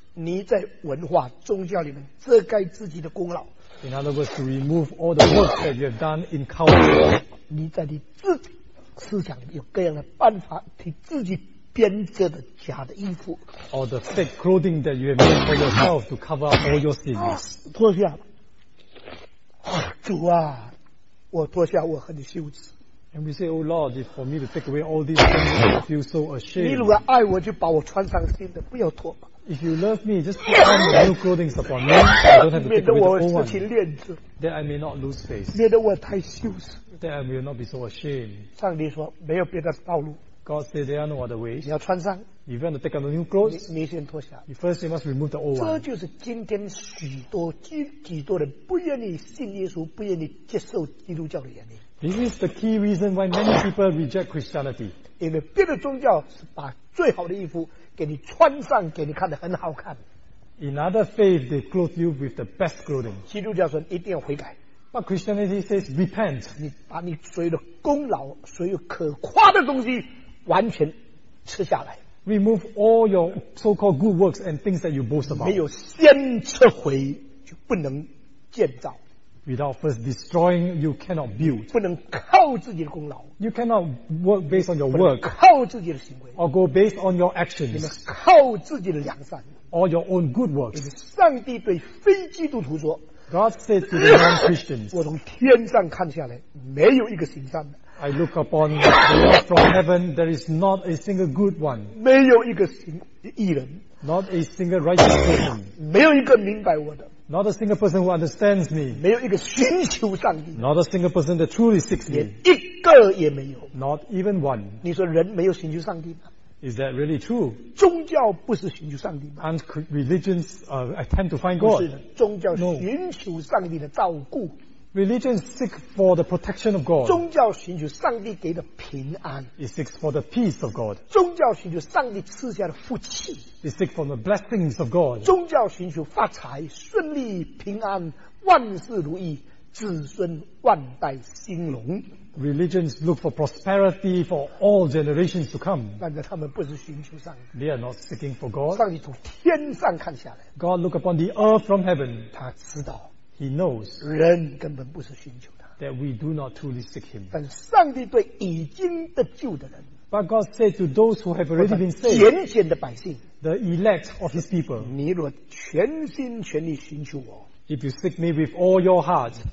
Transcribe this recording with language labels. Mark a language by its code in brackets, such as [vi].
[zh] 你在文化宗教里面遮盖自己的功劳。 [en] In other words, to remove all the work that you have done in culture. [zh] 你在你自己思想有各样的办法，替自己编织的假的衣服。 [en] Or the fake clothing that you have made for yourself to cover up all your sins. [zh] 脱下，主啊，我脱下我很羞耻。 [en] And we say, Oh Lord, if for me to take away all these things, I feel so ashamed. [zh] 你如果爱我，就把我穿上新的，不要脱。 [en] If you love me, just put on the new clothing upon me. I don't have to take away the old one. Then I may not lose face. [zh] 免得我太羞耻。 [en] Then I will not be so ashamed. [zh] 上帝说没有别的道路。 [en] God said there are no other ways. [zh] 你要穿上。 [en] If you want to take on the new clothes, [zh] 你先脱下。 [en] You first you must remove the old one. [zh] 这就是今天许多基督徒不愿意信耶稣、不愿意接受基督教的原因。 [en] This is the key reason why many people reject Christianity. [zh] 因为别的宗教是把最好的衣服给你穿上，给你看得很好看。 [en] In other faith, they clothe you with the best clothing. [zh] 基督教说一定要悔改。 [en] But Christianity says repent. [zh] 你把你所有的功劳、所有可夸的东西完全吃下来。 [en] Remove all your so-called good works and things that you boast about. [zh] 没有先撤回，就不能建造。 [en] Without first destroying, you cannot build. [zh] 不能靠自己的功劳。 [en] You cannot work based on your work. [zh] 靠自己的行为。 [en] Or go based on your actions. [zh] 你们靠自己的良善。 [en] Or your own good works. [zh] 因为上帝对非基督徒说 [en] ，God said to the non-Christians, [zh] 我从天上看下来，没有一个行善的。 [en] I look upon the Lord from heaven, there is not a single good one. [zh] 没有一个行义人。 [en] Not a single righteous person. [zh] 没有一个明白我的。 [en] Not a single person who understands me. [zh] 没有一个寻求上帝。 [en] Not a single person that truly seeks me. [zh] 一个也没有。 [en] Not even one. [zh] 你说人没有寻求上帝吗？ [en] Is that really true? [zh] 宗教不是寻求上帝吗？ [en] Aren't religions attempt to find God? [zh] 不是的，宗教寻求上帝的照顾。 [en] Religion seeks for the protection of God. [zh] 宗教寻求上帝给的平安。 [en] It seeks for the peace of God. [zh] 宗教寻求上帝赐下的福气。 [en] It seeks for the blessings of God. [zh] 宗教寻求发财、顺利、平安、万事如意、子孙万代兴隆。 [en] Religions look for prosperity for all generations to come. [zh] 但是他们不是寻求上帝。 [en] They are not seeking for God. [zh] 上帝从天上看下来。 [en] God look upon the earth from heaven. [zh] 他知道。 [en] He knows [zh] 人根本不是寻求他。 [en] That we do not truly seek him. [zh] 但上帝对已经得救的人。 [en] But God said to those who have already been saved. [zh] 拣选的百姓。 [en] The elect of his people. [zh] 你若全心全力寻求我。 [en] If you seek me with all your heart.